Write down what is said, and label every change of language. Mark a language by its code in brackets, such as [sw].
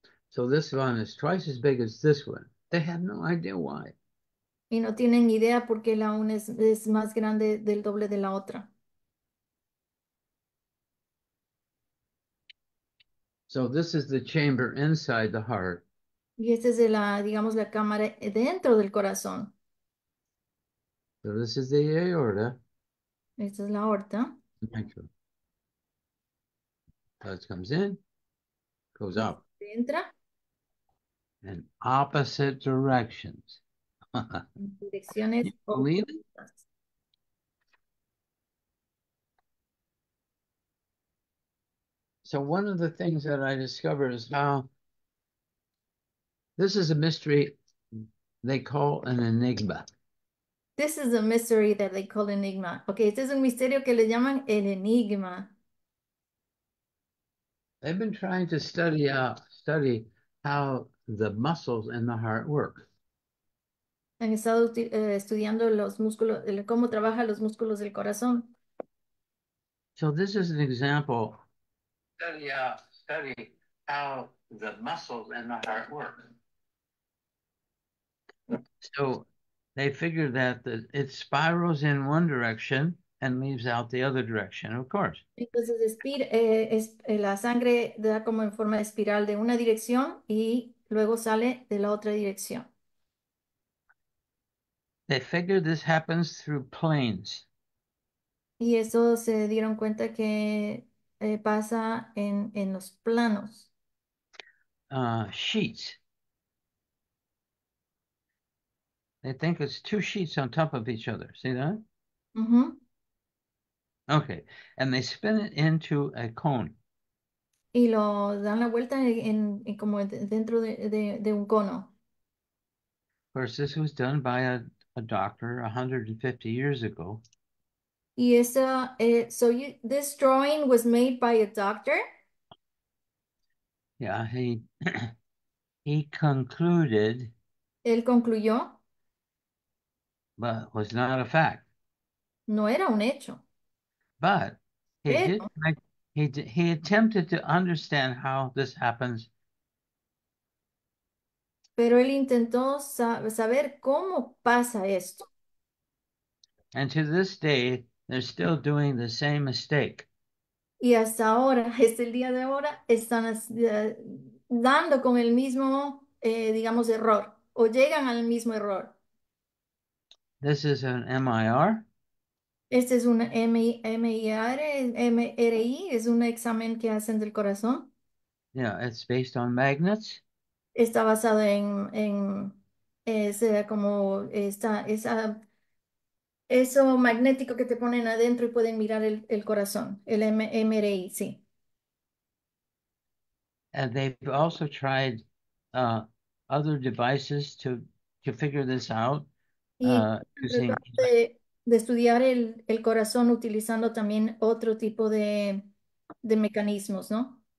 [en] So this one is twice as big as this one. They have no idea why. [es] Y no tienen ni idea por qué la una es más grande del doble de la otra. [en] So this is the chamber inside the heart. [es] Y esta es digamos, la cámara dentro del corazón. [en] So this is the aorta. [es] Esta es la aorta. [en] Thank you. Blood comes in, goes out, [es] Entra. [en] in opposite directions. [es] Direcciones [en] You believe it? [es] opuestas. [en] So one of the things that I discovered is how this is a mystery they call an enigma. This is a mystery that they call enigma. [es] Okay, este es un misterio que le llaman el enigma. [en] They've been trying to study how the muscles in the heart work. [es] Han estado estudiando los músculos, cómo trabajan los músculos del corazón. [en] So this is an example. Study how the muscles in the heart work. So they figured that it spirals in one direction and leaves out the other direction, of course. [es] Entonces, la sangre da como en forma de espiral de una dirección y luego sale de la otra dirección. [en] They figured this happens through planes. [es] Y eso se dieron cuenta que pasa en los planos. [en] Sheets. They think it's two sheets on top of each other. See that? Okay. And they spin it into a cone. [es] Y lo dan la vuelta en como dentro de un cono. [en] Course, this was done by a doctor 150 years ago. [es] Y esa [en] this drawing was made by a doctor. Yeah, he concluded, [es] Él concluyó. [en] but was not a fact. [es] No era un hecho. [en] But [es] Pero. [en] he attempted to understand how this happens. [es] Pero él intentó saber cómo pasa esto. [en] And to this day, they're still doing the same mistake. [es] Y hasta ahora, es el día de ahora, están dando con el mismo, digamos, error, o llegan al mismo error. [en] This is an MIR. [es] Este es un MRI, es un examen que hacen del corazón. [en] Yeah, it's based on magnets. [es] Está basado en ese como está esa eso magnético que te ponen adentro y pueden mirar el corazón, el MRI, sí. [en] And they've also tried other devices to figure this out. [es] Y [en] Using [es] de estudiar el corazón utilizando también otro tipo de mecanismos, ¿no?